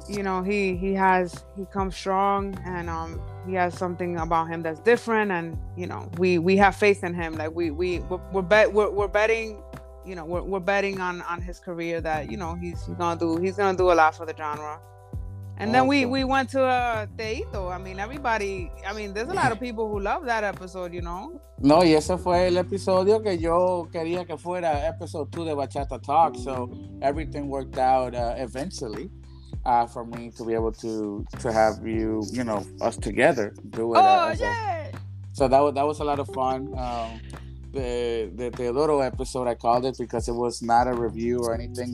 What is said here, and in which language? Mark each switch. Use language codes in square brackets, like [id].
[en] You know, he comes strong, and he has something about him that's different, and you know, we have faith in him. Like we're betting on his career that, you know, he's gonna do a lot for the genre. And then we went to Teito. I mean, there's a lot of people who love that episode, you know? [es] No, y ese fue el episodio que yo quería que fuera episode 2 de Bachata Talk. [en] So everything worked out eventually for me to be able to have you, you know, us together do it. So that was a lot of fun. The Teodoro episode, I called it, because it was not a review or anything.